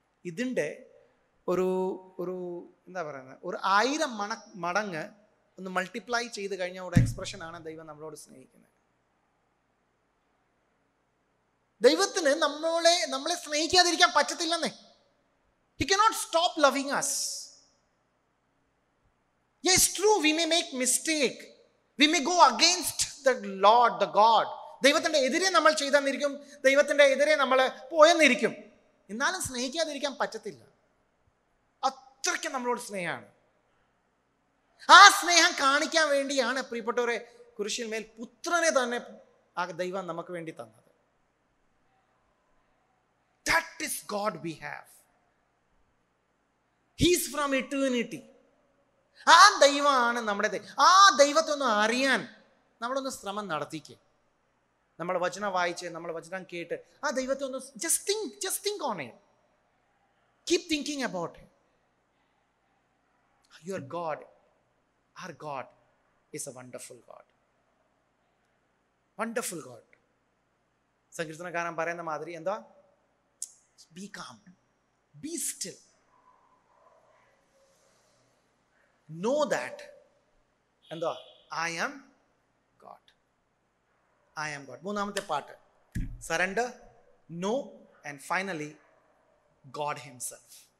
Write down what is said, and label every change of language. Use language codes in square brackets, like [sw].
[ml] ഇതിൻ്റെ ഒരു എന്താ പറയുന്നത്, ഒരു 1000 മടങ്ങ് ഒന്ന് മൾട്ടിപ്ലൈ ചെയ്ത് കഴിഞ്ഞ ഒരു എക്സ്പ്രഷനാണ് ദൈവം നമ്മളോട് സ്നേഹിക്കുന്നത്. ദൈവത്തിന് നമ്മളെ സ്നേഹിക്കാതിരിക്കാൻ പറ്റത്തില്ലെന്നേ. [en] He cannot stop loving us. Yes, true, we may make mistake. We may go against the Lord, the God. [ml] ദൈവത്തിന്റെ എതിരെ നമ്മൾ ചെയ്തെന്നിരിക്കും, ദൈവത്തിന്റെ എതിരെ നമ്മൾ പോയെന്നിരിക്കും, എന്നാലും സ്നേഹിക്കാതിരിക്കാൻ പറ്റത്തില്ല. അത്രയ്ക്ക് നമ്മളോട് സ്നേഹമാണ്. ആ സ്നേഹം കാണിക്കാൻ വേണ്ടിയാണ് പ്രിയപ്പെട്ടവരെ കുരിശിന്മേൽ പുത്രനെ തന്നെ ആ ദൈവം നമുക്ക് വേണ്ടി തന്നത്. [en] That is God we have. He is from eternity. [ml] ആ ദൈവമാണ് നമ്മുടെ ദൈവം. ആ ദൈവത്തെ ഒന്ന് അറിയാൻ നമ്മളൊന്ന് ശ്രമം നടത്തിക്കേ. നമ്മൾ വചനം വായിച്ച്, നമ്മൾ വചനം കേട്ട് ആ ദൈവത്തെ ഒന്ന് [en] Just think on him. Keep thinking about him. Your God, our God is a wonderful God. Wonderful God. [ml] സങ്കീർത്തനകാരൻ പറയുന്ന മാതിരി എന്താ, [en] Be calm, be still. Know that, and the I am God. I am God. [ml] Moonamate [en] part. Surrender, know, and finally, God Himself.